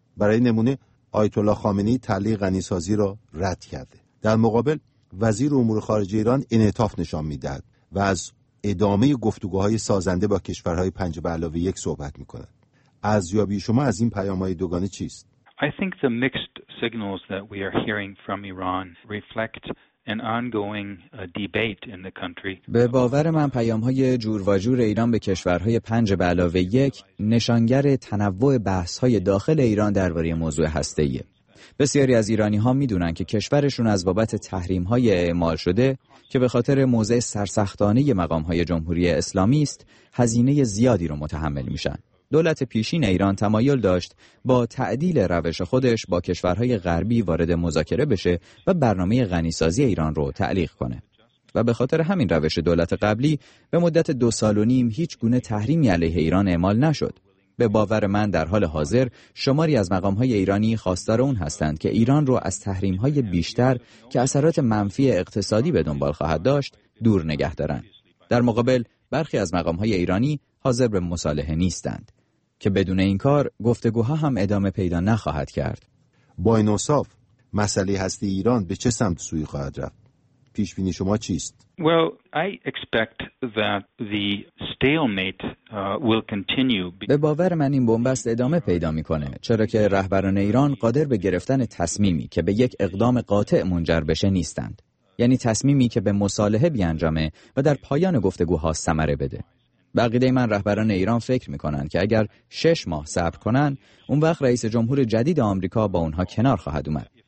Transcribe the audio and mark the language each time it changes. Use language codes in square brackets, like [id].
[fa] برای نمونه آیت الله خامنه‌ای تعلیق غنی‌سازی را رد کرده. در مقابل وزیر امور خارجه ایران انعطاف نشان می‌دهد و از ادامه گفتگوهای سازنده با کشورهای 5+1 صحبت می‌کند. ارزیابی شما از این پیام‌های دوگانه چیست؟ [en] I think the mixed signals that we are hearing from Iran reflect an ongoing debate in the country. [fa] به باور من پیام‌های جور و جور ایران به کشورهای 5+1 نشانگر تنوع بحث‌های داخل ایران درباره موضوع هسته‌ای. بسیاری از ایرانی‌ها می‌دونن که کشورشون از بابت تحریم‌های اعمال شده که به خاطر موضع سرسختانه مقام‌های جمهوری اسلامی است، هزینه زیادی رو متحمل میشن. دولت پیشین ایران تمایل داشت با تعدیل روش خودش با کشورهای غربی وارد مذاکره بشه و برنامه غنی‌سازی ایران رو تعلیق کنه. و به خاطر همین روش دولت قبلی به مدت 2.5 سال هیچ گونه تحریمی علیه ایران اعمال نشد. به باور من در حال حاضر شماری از مقام‌های ایرانی خواستار اون هستند که ایران رو از تحریم‌های بیشتر که اثرات منفی اقتصادی به دنبال خواهد داشت دور نگه دارن. در مقابل برخی از مقام‌های ایرانی حاضر به مصالحه نیستند که بدون این کار گفتگوها هم ادامه پیدا نخواهد کرد. با این اوصاف مسئله هستی ایران به چه سمت سوی خواهد رفت؟ پیش بینی شما چیست؟ [en] Well, I expect that the stalemate will continue. [fa] به باور من این بنبست ادامه پیدا میکنه، چرا که رهبران ایران قادر به گرفتن تصمیمی که به یک اقدام قاطع منجر بشه نیستند. یعنی تصمیمی که به مصالحه بیانجامه و در پایان گفتگوها ثمره بده. بقیده من رهبران ایران فکر میکنن که اگر 6 ماه صبر کنن، اون وقت رئیس جمهور جدید آمریکا با اونها کنار خواهد اومد.